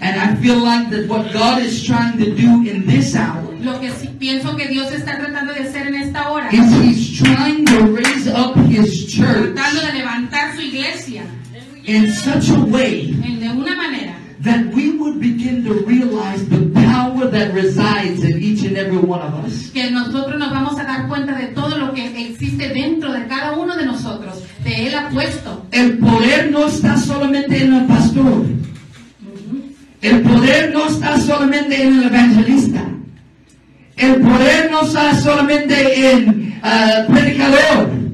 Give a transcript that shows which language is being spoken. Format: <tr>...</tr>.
<en>And I feel like that what God is trying to do in this hour.</en> <es>Lo que pienso que Dios está tratando de hacer en esta hora.</es> <en>Is He's trying to raise up His church.</en> <es>Tratando de levantar su iglesia.</es> <en>In such a way.</en> <es>En de una manera.</es> <en>That we would begin to realize the power that resides in each and every one of us.</en> <es>Que nosotros nos vamos a dar cuenta de todo lo que existe dentro de cada uno de nosotros, de Él ha puesto. El poder no está solamente en el pastor. El poder no está solamente en el evangelista. El poder no está solamente en predicador.</es>